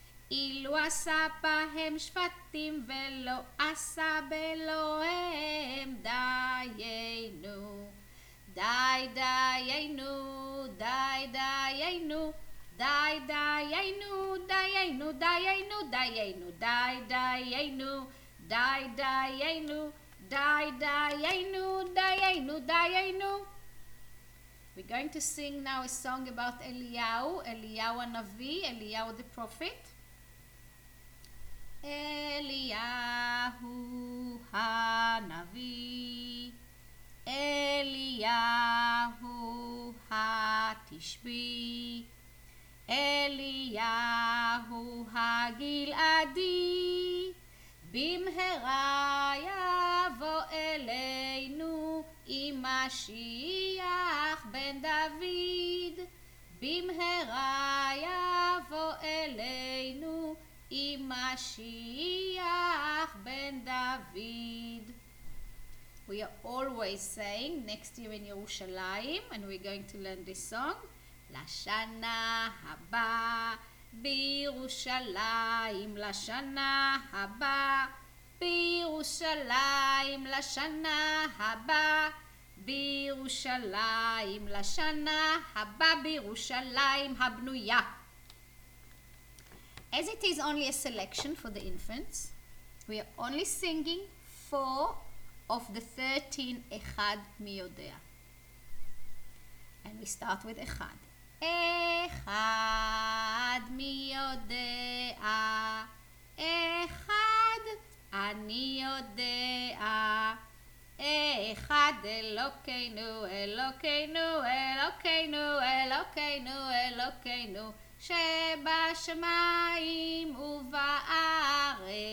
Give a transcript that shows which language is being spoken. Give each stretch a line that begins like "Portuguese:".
Hebrew: אילו עשה בהם שפטים ולא עשה באלוהם דיינו די דיינו די דיינו די דיינו דיינו דיינו דיינו די דיינו די דיינו די דיינו דיינו דיינו.
English: We're going to sing now a song about Eliyahu, Eliyahu הנביא, Eliyahu the prophet.
Hebrew: Eliyahu הנביא, Eliyahu התשבי, אליהו הגלעדי, במהרה יבוא אלינו עם משיח בן דוד, במהרה יבוא אלינו עם משיח בן דוד.
English: We are always saying next year in Yerushalayim, and we're going to learn this song.
Hebrew: לשנה הבא בירושלים, לשנה הבא בירושלים, לשנה הבא בירושלים, לשנה הבא בירושלים הבנויה.
English: As it is only a selection for the infants, we are only singing 4 of the 13
Hebrew: אחד מי יודע.
English: And we start with אחד.
Hebrew: אחד מי יודע, אחד אני יודע, אחד אלוקינו, אלוקינו, אלוקינו, אלוקינו, אלוקינו, שבשמיים ובארץ,